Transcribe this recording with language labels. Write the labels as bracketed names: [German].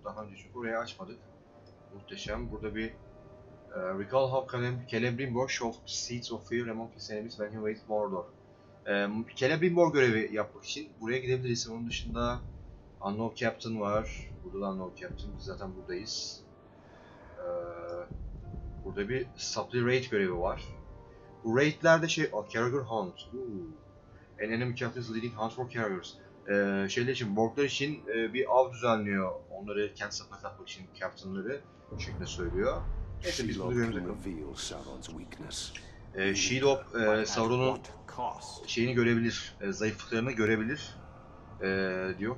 [Turkish] Daha önce çünkü orayı açmadık. Muhteşem. Burada bir Recall Hub [English] Celebrimbor Show of Seeds of Fear Among His Enemies When He Waits Mordor. [Turkish] Celebrimbor görevi yapmak için buraya gidebiliriz. Onun dışında Unknown Captain var. Burada da Unknown Captain. Biz zaten buradayız. Burada bir Supply Raid görevi var. Bu raidlerde şey... [English] Oh, Caragor Hunt. An enemy captain is leading hunt for Caragors. [Turkish] Şeyler için, Borglar için bir av düzenliyor. Onları kent sapına katmak için Captain'ları şeklinde söylüyor. Neyse, biz bunu görebiliriz. Shelob, Sauron'un şeyini görebilir, zayıflıklarını görebilir. Diyor.